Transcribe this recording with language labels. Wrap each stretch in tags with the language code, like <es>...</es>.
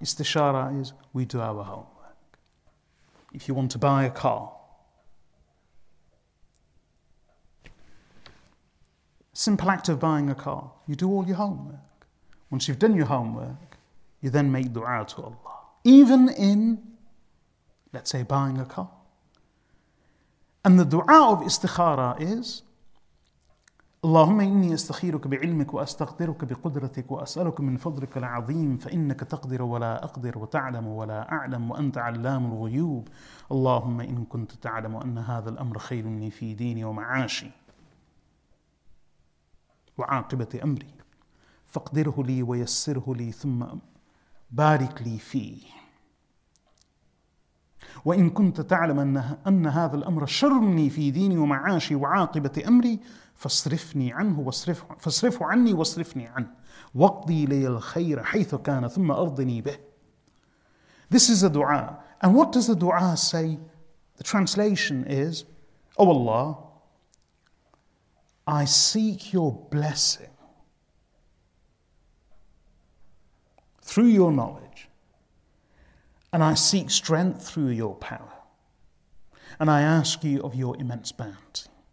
<en>Istishara is we do our homework. If you want to buy a car, simple act of buying a car, you do all your homework. Once you've done your homework, you then make dua to Allah. Even in, let's say, buying a car. And the dua of istikhara is,</en> <ar>اللهم إني أستخيرك بعلمك وأستقدرك بقدرتك وأسألك من فضلك العظيم فإنك تقدر ولا أقدر وتعلم ولا أعلم وأنت علام الغيوب اللهم إن كنت تعلم أن هذا الأمر خير لي في ديني ومعاشي وعاقبة أمري فاقدره لي ويسره لي ثم بارك لي فيه وإن كنت تعلم أن هذا الأمر شر لي في ديني ومعاشي وعاقبة أمري فاصرفني عنه فاصرفه عني واصرفني عنه واقضي لي الخير حيث كان ثم أرضني به.</ar> <en>This is a dua. And what does the dua say? The translation is, Oh Allah, I seek your blessing through your knowledge. And I seek strength through your power. And I ask you of your immense bounty.</en>